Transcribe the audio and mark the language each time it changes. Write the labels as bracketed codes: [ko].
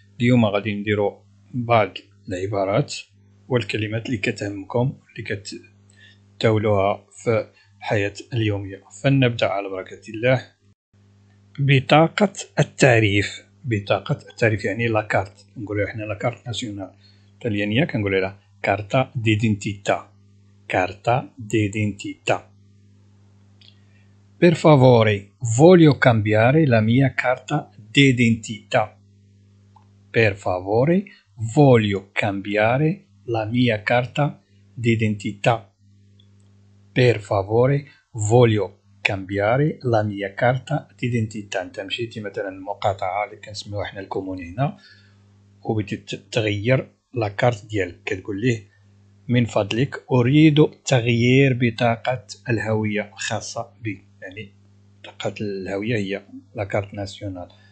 [ar] اليوم غادي نديرو بعض العبارات والكلمات اللي كتهمكم اللي كتتاولوها في الحياة اليومية. فلنبدأ على بركة الله. بطاقة التعريف، بطاقة التعريف يعني لا كارت، نقول احنا لا كارت ناسيونال تاليانية كنقول لها [it] كارتا ديدينتيتا، كارتا ديدينتيتا. Per favore, voglio cambiare la mia carta d'identità. Per favore, voglio cambiare la mia carta d'identità. Per favore, voglio cambiare la mia carta d'identità. [ar] تمشيتي مثلا مقاطعة اللي كنسميوها احنا الكومون هنا، وبغيتي تغير لا كارت ديالك، كتقول ليه من فضلك اريد تغيير بطاقة الهوية خاصة بي. يعني بطاقة الهوية هي لا كارت ناسيونال.